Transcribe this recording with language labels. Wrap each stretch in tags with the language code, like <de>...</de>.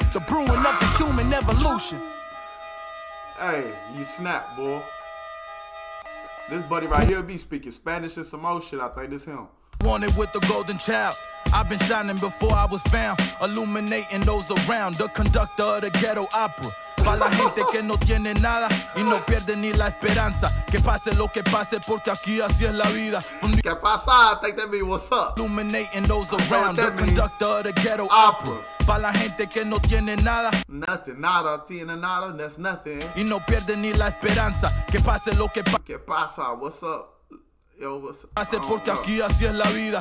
<en>The brewing of the human evolution. Hey, you snap, boy. This buddy right here be speaking Spanish and some old shit. I think this him. Wanted with the golden child. I've been shining before I was found. Illuminating those around. The conductor of the ghetto opera.</en> <es>Para la gente que no tiene nada y no pierde ni la esperanza. Que pase lo que pase porque aquí así es la vida. Que pasa,</es> <en>I think that means what's up. Illuminating those around. The conductor of the ghetto opera.</en> <es>Para la gente que no tiene nada.</es> <en>Nothing,</en> <es>nada, tiene nada,</es> <en>that's nothing.</en> <es>Y no pierde ni la esperanza. Que pase lo que pase. Que pasa,</es> <en>what's up? Yo, what's up?</en> <es>Pase porque aquí así es la vida.</es>